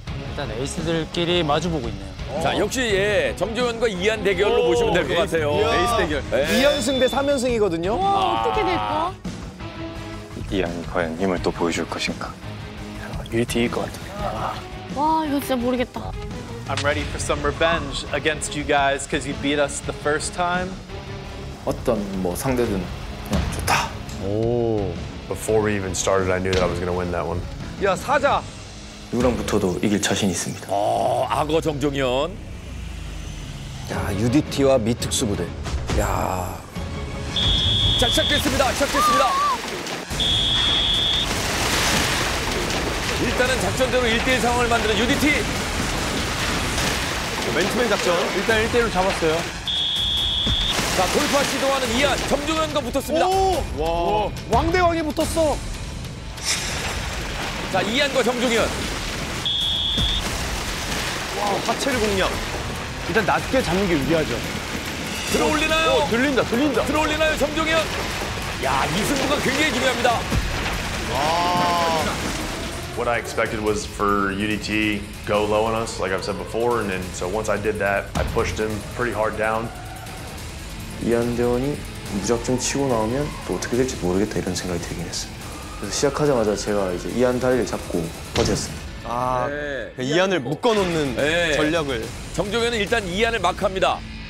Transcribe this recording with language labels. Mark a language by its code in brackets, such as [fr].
[ko] 일단 에이스들끼리 마주보고 있네요. 자, 역시 예, 정재현과 이안 대결로 보시면 될 것 같아요. 에이스 대결. 2연승 대 3연승이거든요. 어떻게 될까? 이안이 과연 힘을 또 보여줄 것인가? 1대1일 것 같아요. 와, 이거 진짜 모르겠다. [en] I'm ready for some revenge against you guys because you beat us the first time. [ko] 어떤 뭐 상대든 그냥 좋다. 오. [en] Before we even started, I knew that I was going to win that one. [ko] 야, 사자. 누구랑 붙어도 이길 자신 있습니다. 악어 정종현. 야, UDT와 미특수 부대. 야. 자, 시작됐습니다. 시작됐습니다. 일단은 작전대로 1대1 상황을 만드는 UDT. 맨투맨 작전. 일단 1대1로 잡았어요. 자, 돌파 시도하는 이안, 정종현과 붙었습니다. 오! 와. 왕대왕이 붙었어. 자, 이안과 정종현. 와, 하체를 공략. 일단 낮게 잡는 게 유리하죠. 들어올리나요? 들린다, 들린다. 들어올리나요, 정종현? 야, 이 승부가 굉장히 중요합니다. 와. [en] What I expected was for UDT go low on us, like I've said before, and then so once I did that, I pushed him pretty hard down. [ko] 이안 대원이 무작정 치고 나오면 또 어떻게 될지 모르겠다 이런 생각이 들긴 했어요. 그래서 시작하자마자 제가 이제 이안 다리를 잡고 버텼습니다. 아, 네. 이안을 묶어놓는 네. 전략을. 정종현은 일단 이안을 막합니다.